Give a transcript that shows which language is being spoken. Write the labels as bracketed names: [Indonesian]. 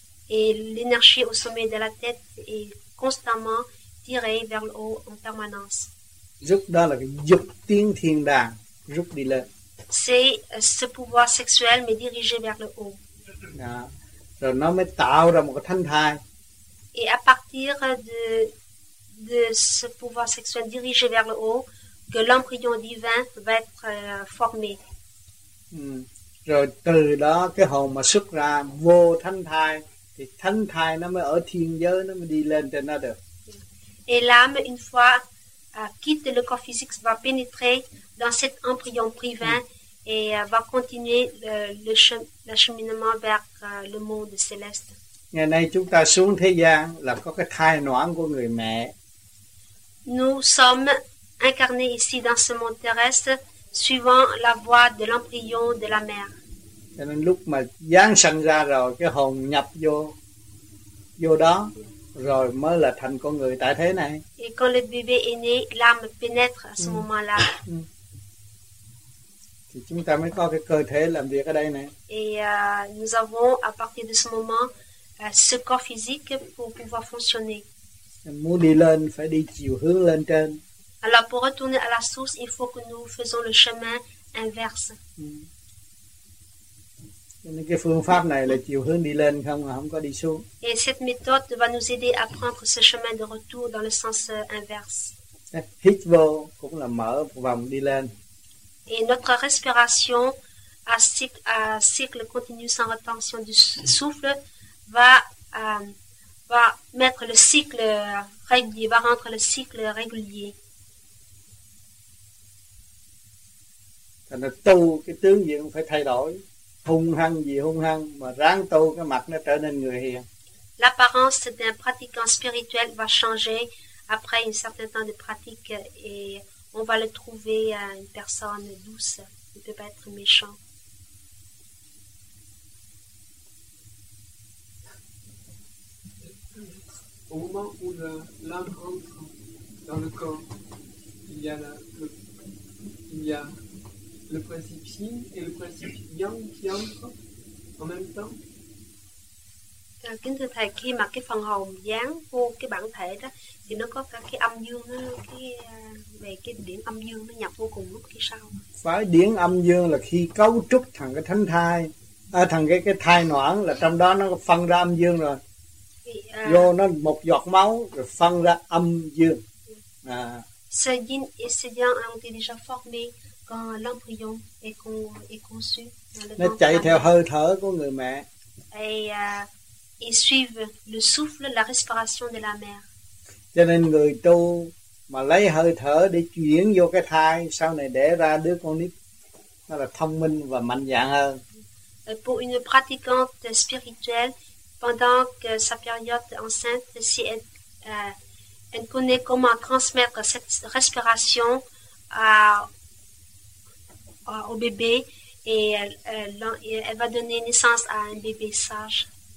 [French] Et l'énergie au sommet de la tête est constamment tirée vers le haut en permanence. [Vietnamese] Rút đó là cái dục tiến thiên đàng, rút đi lên. [French] C'est ce pouvoir sexuel mais dirigé vers le haut. [Vietnamese] Đó. Rồi nó mới tạo ra một cái thanh thai. [French] Et à partir de ce pouvoir sexuel dirigé vers le haut, que l'embryon divin va être formé. [Vietnamese] Rồi từ đó cái hồn mà xuất ra vô thanh thai. Thì thánh thai nó mới ở thiên giới, nó mới đi lên trên nó được. [French] et l'âme, une fois quitte le corps physique, va pénétrer dans cet embryon privé et va continuer le cheminement vers le monde céleste. [Vietnamese] Ngày nay chúng ta xuống thế gian là có cái thai noãn của người mẹ. [French] Nous sommes incarnés ici dans ce monde terrestre suivant la voie de l'embryon de la mère. [Vietnamese] Cho nên lúc mà giáng sanh ra rồi cái hồn nhập vô đó rồi mới là thành con người tại thế này. [French] Et quand le bébé est né, l'âme pénètre à ce moment-là. [Vietnamese] Thì chúng ta mới có cái cơ thể làm việc ở đây này. [French] Et nous avons à partir de ce moment ce corps physique pour pouvoir fonctionner. [Vietnamese] Muốn đi lên phải đi chiều hướng lên trên. [French] Alors pour retourner à la source, il faut que nous faisons le chemin inverse. [Vietnamese] Nên cái phương pháp này là chiều hướng đi lên không mà không có đi xuống. [French] Et cette méthode va nous aider à prendre ce chemin de retour dans le sens inverse. [Vietnamese] Hít vô cũng là mở vòng đi lên. [French] Et notre respiration à cycle continu sans retention du souffle va mettre le cycle régulier, va rendre le cycle régulier. [Vietnamese] Thành ra tu cái tướng diện phải thay đổi. Hung hăng gì hung hăng mà ráng tu cái mặt nó trở nên người hiền. [French] L'apparence d'un pratiquant spirituel va changer après un certain temps de pratique et on va le trouver une personne douce, il ne peut pas être méchant. Au moment où l'âme entre dans le corps, il y a le principe yin et le principe yang qui entrent en même temps. [Vietnamese] Kính thưa thầy, khi mà cái phần hồn dán vô cái bản thể đó thì nó có cả cái âm dương đó, về cái điển âm dương nó nhập vô cùng lúc khi sau. Phải, điển âm dương là khi cấu trúc thằng cái thánh thai, thằng cái thai noãn là trong đó nó phân ra âm dương rồi. Vô nó một giọt máu rồi phân ra âm dương. [French] Ce yin et ce yang ont été déjà formés quand l'embryon est conçu. [Vietnamese] Nó chạy theo hơi thở của người mẹ. [French] Et suivent le souffle, la respiration de la mère. [Vietnamese] Cho nên người tu mà lấy hơi thở để chuyển vô cái thai, sau này đẻ ra đứa con nít, nó là thông minh và mạnh dạn hơn. [French] Pour une pratiquante spirituelle, pendant que sa période enceinte, si elle connaît comment transmettre cette respiration au bébé, et elle va donner naissance à un bébé sage.